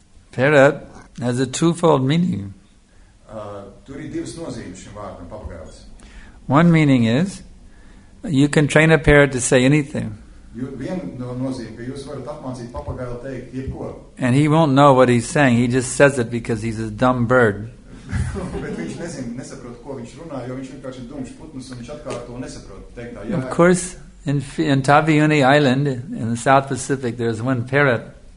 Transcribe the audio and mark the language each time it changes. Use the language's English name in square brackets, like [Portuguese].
[English] Parrot has a twofold meaning. [Latvian] Tur ir divas nozīmes šim vārdam, papagāls. [English] One meaning is, you can train a parrot to say anything. And he won't know what he's saying. He just says it because he's a dumb bird. Of course, in Taviuni Island, in the South Pacific, there's one parrot.